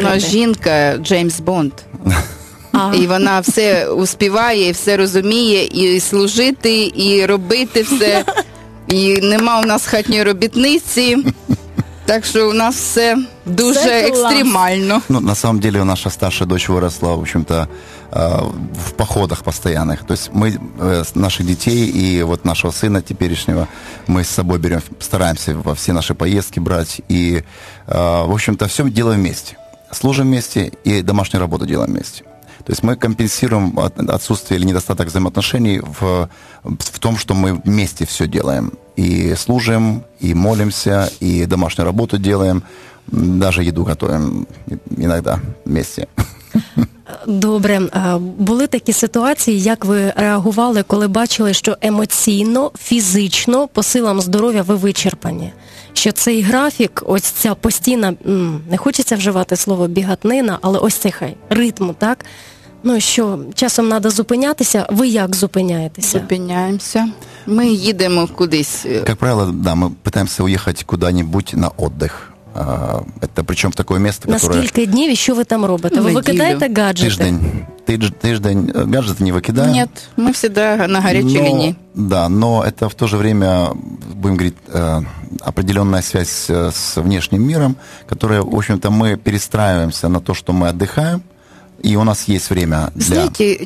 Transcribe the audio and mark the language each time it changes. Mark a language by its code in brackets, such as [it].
[uk] У нас жінка Джеймс Бонд. І вона все успіває, і все розуміє, і служити, і робити все. І нема у нас хатньої робітниці. Так що у нас все дуже екстремально. [ru] Ну, на самом деле, наша старша дочь виросла, в общем-то, в походах постоянных. То есть мы наших детей и вот нашего сына теперешнего мы с собой берем, стараемся во все наши поездки брать. И, в общем-то, все делаем вместе. Служим вместе и домашнюю работу делаем вместе. То есть мы компенсируем отсутствие или недостаток взаимоотношений в том, что мы вместе все делаем. И служим, и молимся, и домашнюю работу делаем. Даже еду готовим иногда вместе. [uk] Добре. Були такі ситуації, як ви реагували, коли бачили, що емоційно, фізично, по силам здоров'я ви вичерпані? Що цей графік, ось ця постійна, не хочеться вживати слово бігатнина, але ось цей хай, ритм, так? Ну, що часом треба зупинятися, ви як зупиняєтеся? Зупиняємося. Ми їдемо кудись. Як правило, да, ми намагаємося уїхати куди-небудь на віддих. [ru] Это причем в такое место, которое... На сколько дней, еще вы там роботы? Вы выкидаете гаджеты? Тыждень. Гаджеты не выкидаем. Нет, мы всегда на горячей линии. Да, но это в то же время, будем говорить, определенная связь с внешним миром, которая, в общем-то, мы перестраиваемся на то, что мы отдыхаем, и у нас есть время для отдыха.